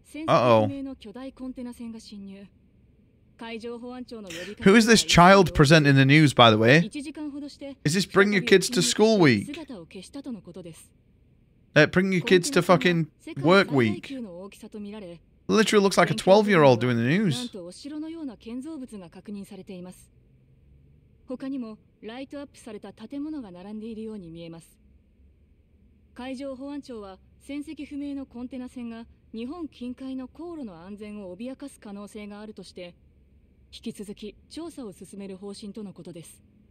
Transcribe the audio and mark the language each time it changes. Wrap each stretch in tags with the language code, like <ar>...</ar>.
<ja>潜水不明の巨大コンテナ船が侵入。海上保安庁の呼びかけ。</ja> <en>Who is this child presenting the news, by the way?</en> <ja>一時間ほどして。</ja> <en>Is this bring your kids to school week?</en> <ja>姿を消したとのことです。</ja> <en>Bring your kids to fucking work week. Literally looks like a 12-year-old doing the news.</en> <ja>なんとお城のような建造物が確認されています。他にもライトアップされた建物が並んでいるように見えます。海上保安庁は船籍不明のコンテナ船が日本近海の航路の安全を脅かす可能性があるとして引き続き調査を進める方針とのことです。</ja>